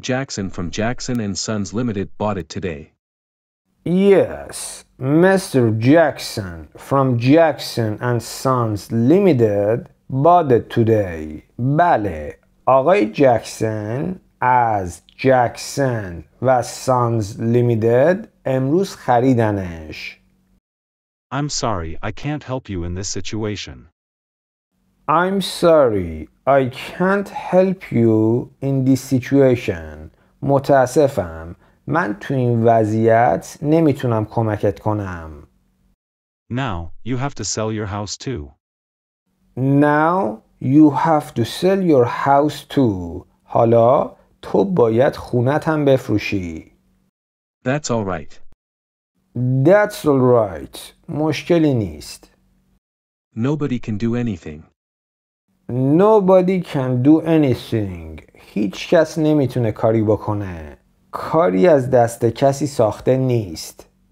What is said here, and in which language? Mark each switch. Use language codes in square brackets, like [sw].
[en] Jackson from Jackson and Sons Limited bought it today. Yes, Mr. Jackson from Jackson and Sons Limited bought it today. [fa] بله، آقای جکسن از جکسن و سانز لیمیتد امروز خریدنش. [en] I'm sorry, I can't help you in this situation. I'm sorry, I can't help you in this situation. [fa] متاسفم. من تو این وضعیت نمیتونم کمکت کنم. [en] Now, you have to sell your house too. Now, you have to sell your house too. [fa] حالا تو باید خونت هم بفروشی. [en] That's all right. That's all right. [fa] مشکلی نیست. [en] Nobody can do anything. Nobody can do anything. [fa] هیچ کس نمیتونه کاری بکنه. کاری از دست کسی ساخته نیست.